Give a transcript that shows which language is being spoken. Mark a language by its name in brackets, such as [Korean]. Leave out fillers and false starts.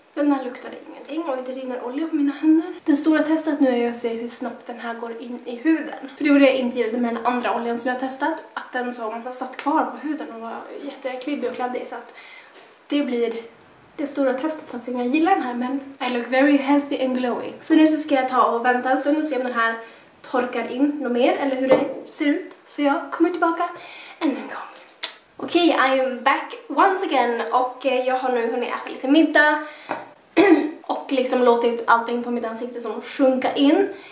[Swedish] Den här luktade ingenting och det rinner olja på mina händer. Den stora testet nu är att se hur snabbt den här går in i huden. För det gjorde jag inte med den andra oljan som jag testat. Att den som satt kvar på huden och var jätteklibbig och kladdig. Så att det blir det stora testet för att se om jag gillar den här. [English] Men I look very healthy and glowy. [Swedish] Så nu så ska jag ta och vänta en stund och se om den här torkar in något mer. Eller hur det ser ut. Så jag kommer tillbaka ännu en gång. Okej, okay, [English] I am back once again [Swedish] och jag har nu hunnit äta lite middag och liksom låtit allting på mitt ansikte som sjunka in.